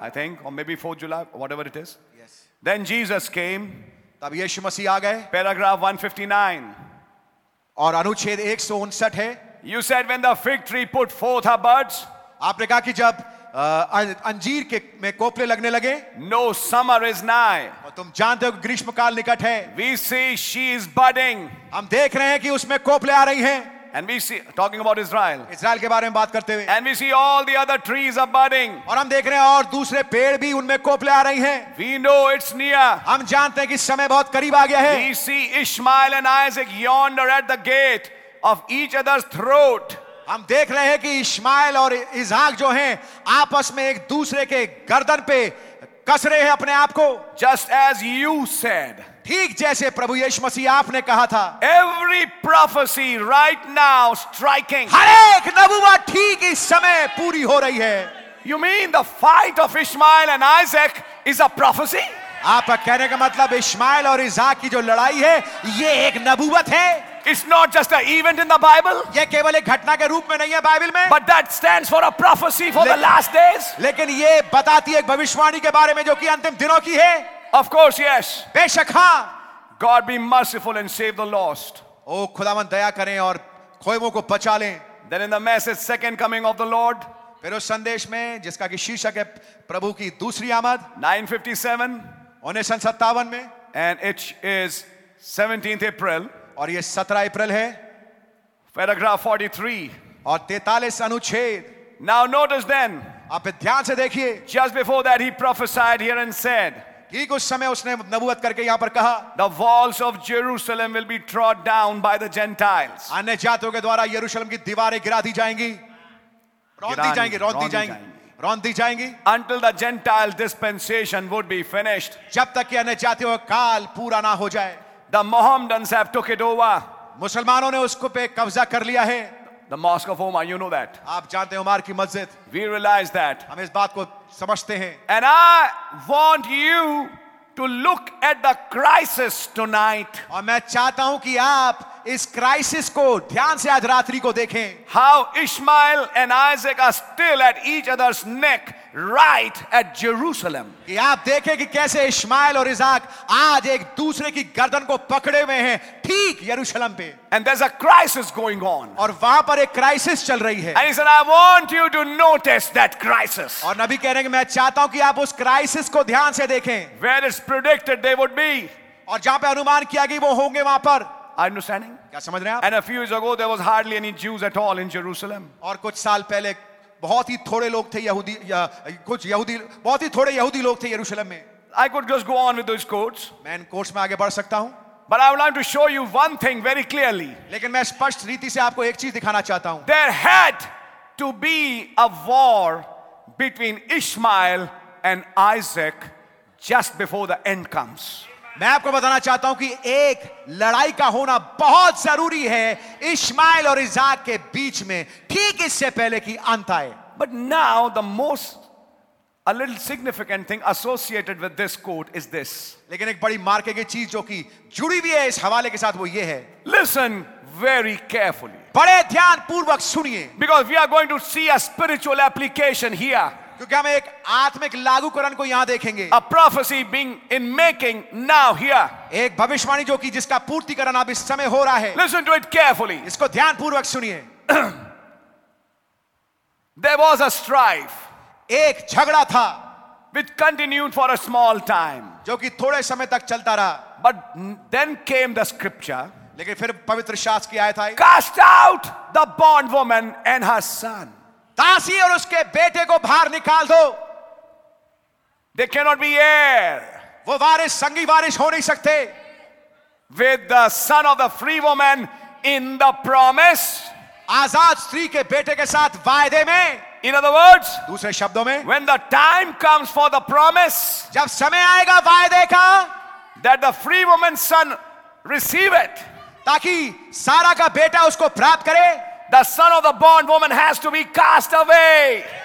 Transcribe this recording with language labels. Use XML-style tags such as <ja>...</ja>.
<en>I think, or maybe 4 July, whatever it is. Yes. Then Jesus came.</en> <hi>तब यीशु मसीह आ गए.</hi> <en>Paragraph 159.</en> <hi>और अनुच्छेद 159 है.</hi> <en>You said when the fig tree put forth her buds.</en> <hi>आपने कहा कि जब अंजीर के में कोपले लगने लगे.</hi> <en>No, summer is nigh.</en> <hi>तुम जानते हो ग्रीष्मकाल निकट है.</hi> <en>We see she is budding.</en> <hi>हम देख रहे हैं कि उसमें कोपले आ रही हैं.</hi> <en>And we see, talking about Israel.</en> <hi>Israel के बारे में बात करते हुए.</hi> <en>And we see all the other trees are budding.</en> <hi>और हम देख रहे हैं और दूसरे पेड़ भी उनमें कोपले आ रही हैं.</hi> <en>We know it's near.</en> <hi>हम जानते हैं कि समय बहुत करीब आ गया है.</hi> <en>We see Ishmael and Isaac yonder at the gate of each other's throat.</en> <hi>हम देख रहे हैं कि इश्माइल और इसहाक जो हैं आपस में एक दूसरे के गर्दन पे कस रहे हैं अपने आप को.</hi> <en>Just as you said.</en> <hi>ठीक जैसे प्रभु यीशु मसीह आपने कहा था.</hi> <en>Every prophecy right now striking.</en> <hi>हर एक नबुवा ठीक इस समय पूरी हो रही है.</hi> <en>You mean the fight of Ishmael and Isaac is a prophecy?</en> <hi>आप कहने का मतलब इश्माइल और इसहाक की जो लड़ाई है ये एक नबुवत है.</hi> <en>It's not just an event in the Bible.</en> <hi>ये केवल एक घटना के रूप में नहीं है बाइबल में.</hi> <en>But that stands for a prophecy for the last days.</en> <hi>लेकिन ये बताती है एक भविष्यवाणी के बारे में जो कि अंतिम दिनों की है.</hi> <en>Of course, yes.</en> <hi>बेशक हाँ.</hi> <en>God be merciful and save the lost.</en> <hi>ओ खुदावन दया करें और खोएवों को बचा लें.</hi> <en>Then in the message, second coming of the Lord.</en> <hi>फिर उस संदेश में जिसका कि शीर्षक है प्रभु की दूसरी आमद.</hi> <en>1957</en> <hi>में.</hi> <en>And it is 17th April.</en> <hi>और ये 17 अप्रैल है.</hi> <en>Paragraph 43.</en> <hi>और 43 अनुच्छेद.</hi> <en>Now notice then.</en> <hi>आप ध्यान से देखिए.</hi> <en>Just before that he prophesied here and said.</en> <hi>ठीक उस समय उसने नबुवत करके यहाँ पर कहा.</hi> <en>The walls of Jerusalem will be trod down by the Gentiles.</en> <hi>अन्य जातियों के द्वारा यरूशलेम की दीवारें गिरा दी जाएंगी. रौंदी जाएंगी.</hi> <en>Until the Gentile dispensation would be finished.</en> <hi>जब तक कि अन्य जातियों का काल पूरा ना हो जाए.</hi> <en>The Mohammedans have took it over.</en> <hi>मुसलमानों ने उसको पे कब्जा कर लिया है.</hi> <en>The mosque of Omar, you know that.</en> <hi>आप जानते हैं उमर की मस्जिद.</hi> <en>We realize that.</en> <hi>हम इस बात को समझते हैं.</hi> <en>And I want you to look at the crisis tonight.</en> <hi>और मैं चाहता हूं कि आप इस क्राइसिस को ध्यान से आज रात्रि को देखें.</hi> <en>How Ishmael and Isaac are still at each other's neck right at Jerusalem.</en> <hi>कि आप देखें कि कैसे इश्माइल और इज़ाक आज एक दूसरे की गर्दन को पकड़े हुए हैं ठीक यरूशलम पे.</hi> <en>And there's a crisis going on.</en> <hi>और वहां पर एक क्राइसिस चल रही है.</hi> <en>And he said, I want you to notice that crisis.</en> <hi>और नबी कह रहे हैं कि मैं चाहता हूं कि आप उस क्राइसिस को ध्यान से देखें.</hi> <en>Where it's predicted they would be.</en> <hi>और जहां पे अनुमान किया गया वो होंगे वहां पर.</hi> <en>Understanding?</en> <hi>क्या समझ रहे हैं?</hi> <en>And a few years ago, there was hardly any Jews at all in Jerusalem.</en> <hi>और कुछ साल पहले बहुत ही थोड़े लोग थे यहूदी या कुछ यहूदी बहुत ही थोड़े यहूदी लोग थे यरूशलेम में.</hi> <en>I could just go on with those quotes.</en> <hi>मैं इन quotes में आगे बढ़ सकता हूँ.</hi> <en>But I would like to show you one thing very clearly.</en> <hi>लेकिन मैं स्पष्ट रीति से आपको एक चीज दिखाना चाहता हूँ.</hi> <en>There had to be a war between Ishmael and Isaac just before the end comes.</en> <hi>मैं आपको बताना चाहता हूं कि एक लड़ाई का होना बहुत जरूरी है इश्माइल और इज़ाक के बीच में ठीक इससे पहले कि अंत आए.</hi> <en>But now the most a little significant thing associated with this quote is this.</en> <hi>लेकिन एक बड़ी मार्के की चीज जो कि जुड़ी हुई है इस हवाले के साथ वो ये है.</hi> <en>Listen very carefully.</en> <hi>बड़े ध्यान पूर्वक सुनिए.</hi> <en>Because we are going to see a spiritual application here.</en> <hi>क्योंकि हम एक आत्मिक लागूकरण को यहां देखेंगे.</hi> <en>A prophecy being in making now here.</en> <hi>एक भविष्यवाणी जो कि जिसका पूर्तिकरण अब इस समय हो रहा है.</hi> <en>Listen to it carefully.</en> <hi>इसको ध्यान पूर्वक सुनिए.</hi> <en>There was a strife.</en> <hi>एक झगड़ा था.</hi> <en>Which continued for a small time.</en> <hi>जो कि थोड़े समय तक चलता रहा.</hi> <en>But then came the scripture.</en> <hi>लेकिन फिर पवित्र शास्त्र की आयत आई.</hi> <en>Cast out the bond woman and her son.</en> <hi>दासी और उसके बेटे को बाहर निकाल दो.</hi> <en>They cannot be heir.</en> <hi>वो वारिस संगी वारिस हो नहीं सकते.</hi> <en>With the son of the free woman in the promise.</en> <hi>आजाद स्त्री के बेटे के साथ वायदे में.</hi> <en>In other words,</en> <hi>दूसरे शब्दों में.</hi> <en>When the time comes for the promise.</en> <hi>जब समय आएगा वायदे का.</hi> <en>That the free woman's son receive it.</en> <hi>ताकि सारा का बेटा उसको प्राप्त करे.</hi> <en>The son of the bond woman has to be cast away.</en>